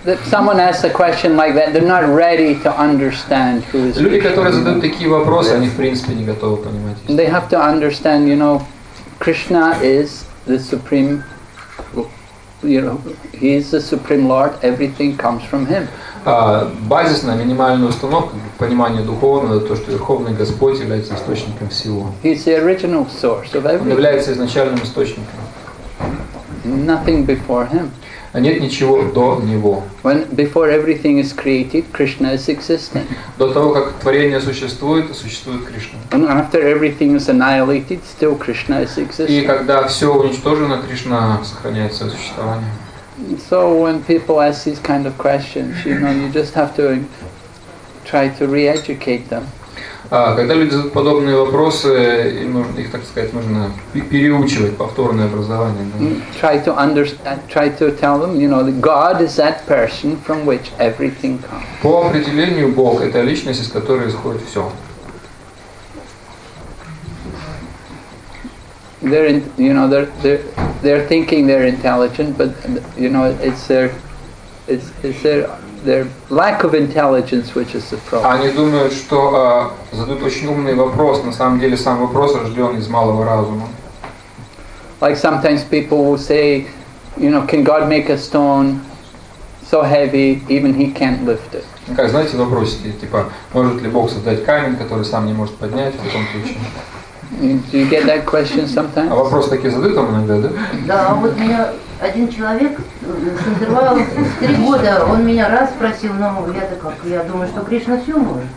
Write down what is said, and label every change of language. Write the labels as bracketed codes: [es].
[en] Someone asks a question like that, they're not ready to understand who is Krishna. [ru] Люди, которые задают такие вопросы, они в принципе не готовы понимать. [en] They have to understand, you know. Krishna is the supreme, you know, he is the supreme lord, everything comes from him. [ru] Базисная, минимальная установка, понимание духовного, то, что Верховный Господь является источником всего. [en] He is the original source of everything. [ru] Он является изначальным источником. [en] Nothing before him. [ru] нет ничего до него. [en] When before everything is created, Krishna is existing. [ru] До того, как творение существует, существует Кришна. [en] And after everything is annihilated, still Krishna is existing. [ru] И когда все уничтожено, Кришна сохраняет свое существование. [en] So when people ask these kind of questions, you know, you just have to try to re-educate them. [ru] Когда люди задают подобные вопросы, их, так сказать, нужно переучивать, повторное образование. [en] Try to tell them, you know, that God is that person from which everything comes. [ru] По определению, Бог — это личность, из которой исходит все. [en] They're thinking they're intelligent, but you know it's their lack of intelligence which is the problem. [ru] Они думают, что задают очень умный вопрос, на самом деле сам вопрос рожден из малого разума. [en] Like sometimes people will say, you know, can God make a stone so heavy even He can't lift it? [ru] Как знаете, вопросики типа, может ли Бог создать камень, который сам не может поднять в таком случае? [en] Do you get that question sometimes? [ru] А вопрос таки задают вам иногда, да? Да, а вот меня один человек с интервалом 3 года, он меня раз спросил, но я думаю, что Кришна все может.